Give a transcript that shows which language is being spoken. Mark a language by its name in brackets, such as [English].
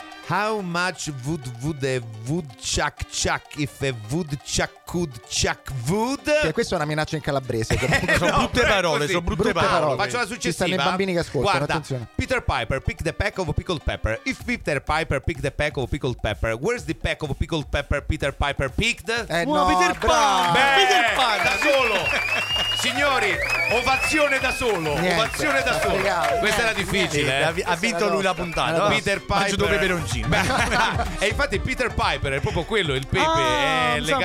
[English] How much would a woodchuck chuck if a woodchuck could chuck wood? [Italian] Che questa è una minaccia in calabrese. Sono brutte parole. Faccio la successiva. Ci stanno i bambini che ascoltano. Guarda, attenzione. [English] Peter Piper picked the peck of a pickled pepper. If Peter Piper picked the peck of a pickled pepper, where's the peck of a pickled pepper Peter Piper picked? [Italian] Peter Piper! Da solo! Signori, ovazione da solo! Questa era difficile. Ha vinto lui la puntata. Peter Piper. E infatti Peter Piper è proprio quello, il pepe è legato